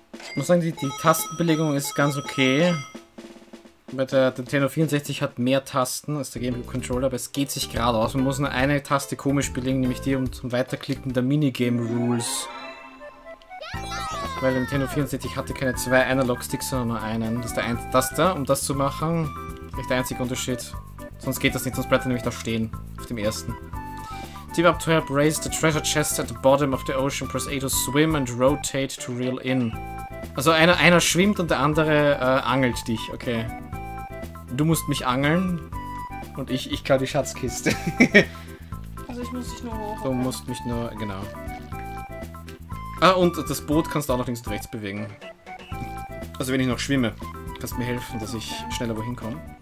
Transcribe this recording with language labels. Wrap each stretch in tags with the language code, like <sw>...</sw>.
<de>Ich muss sagen, die Tastenbelegung ist ganz okay. Bei der Nintendo 64 hat mehr Tasten als der GameCube Controller, aber es geht sich gerade aus. Man muss nur eine Taste komisch belegen, nämlich die zum Weiterklicken der Minigame Rules. Weil der Nintendo 64 hatte keine zwei Analog-Sticks, sondern nur einen. Das ist der einzige Taster, um das zu machen. Vielleicht der einzige Unterschied. Sonst geht das nicht, sonst bleibt er nämlich da stehen. Auf dem ersten.</de> <en>Team up to help raise the treasure chest at the bottom of the ocean. Press A to swim and rotate to reel in.</en> <de>Also einer schwimmt und der andere angelt dich, okay. Du musst mich angeln und ich klau die Schatzkiste. Also ich muss dich nur hoch. Du musst mich nur, genau. Ah, und das Boot kannst du auch noch links und rechts bewegen. Also wenn ich noch schwimme, kannst du mir helfen, dass ich schneller wohin komme.</de>